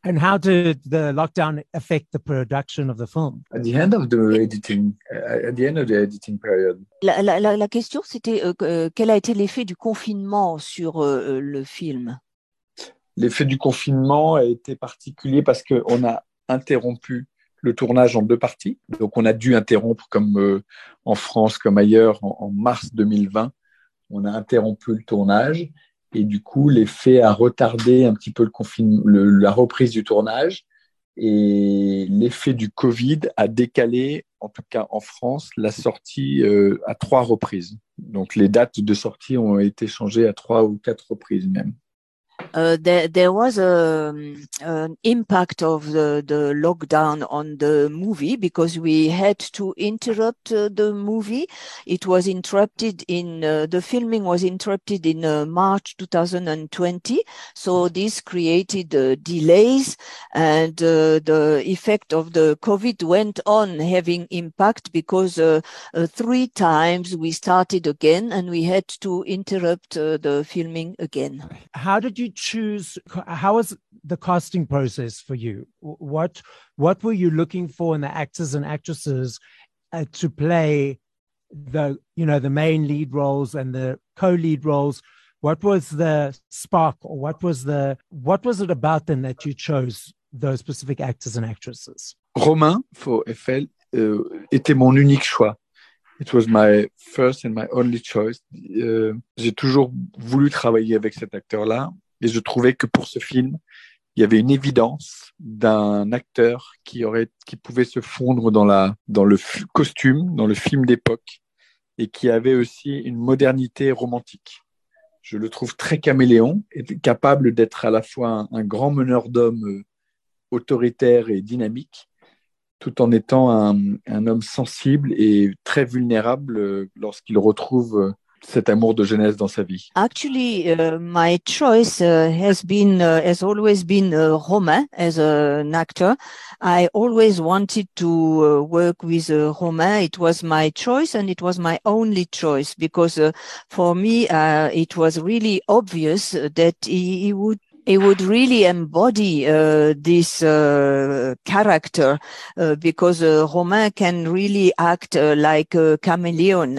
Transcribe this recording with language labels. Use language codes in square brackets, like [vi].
[en] And how did the lockdown affect the production of the film? At the end of the editing, at the end of the editing period. [fr] La question, c'était quel a été l'effet du confinement sur le film? L'effet du confinement a été particulier parce que on a interrompu le tournage en deux parties. Donc, on a dû interrompre, comme en France, comme ailleurs, en mars 2020, on a interrompu le tournage. Et du coup, l'effet a retardé un petit peu la reprise du tournage. Et l'effet du Covid a décalé, en tout cas en France, la sortie à 3 reprises. Donc, les dates de sortie ont été changées à 3 ou 4 reprises même. [en] There was an impact of the lockdown on the movie because we had to interrupt the movie. It was interrupted in the filming was interrupted in March 2020. So this created delays, and the effect of the COVID went on having impact because 3 times we started again and we had to interrupt the filming again. How did you choose? How was the casting process for you? What were you looking for in the actors and actresses to play the main lead roles and the co-lead roles? What was the spark, or what was it about them that you chose those specific actors and actresses? [fr] Romain for Eiffel était mon unique choix. [en] It was my first and my only choice. [fr] J'ai toujours voulu travailler avec cet acteur là. Et je trouvais que pour ce film, il y avait une évidence d'un acteur qui pouvait se fondre dans le costume, dans le film d'époque, et qui avait aussi une modernité romantique. Je le trouve très caméléon, et capable d'être à la fois un grand meneur d'hommes autoritaire et dynamique, tout en étant un homme sensible et très vulnérable lorsqu'il retrouve cet amour de jeunesse dans sa vie. [en] Actually, my choice has always been Romain as an actor. I always wanted to work with Romain. It was my choice and it was my only choice because for me, it was really obvious that he would really embody this character because Romain can really act like a chameleon.